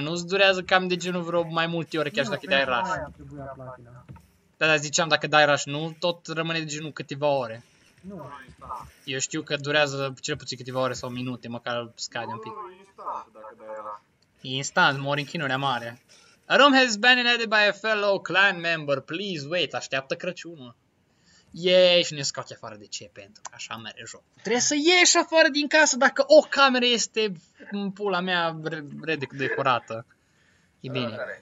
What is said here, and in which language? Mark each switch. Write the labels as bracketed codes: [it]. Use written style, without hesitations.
[ro] Nu-ți durează cam de genul vreo mai multe ore, chiar și dacă dai rush. Da, dar ziceam, dacă dai rush, nu, tot rămâne de genul câteva ore. Nu. Eu știu că durează cel puțin câteva ore sau minute, măcar scade un pic. Instant, dacă instant, mor în chinurea mare. [en] A room has been inhabited by a fellow clan member. Please wait, [ro] așteaptă Crăciunul. Ieși și ne scoate afară de ce, pentru că așa mere joc. Trebuie să ieși afară din casă dacă o cameră este în pula mea redecorată. E bine.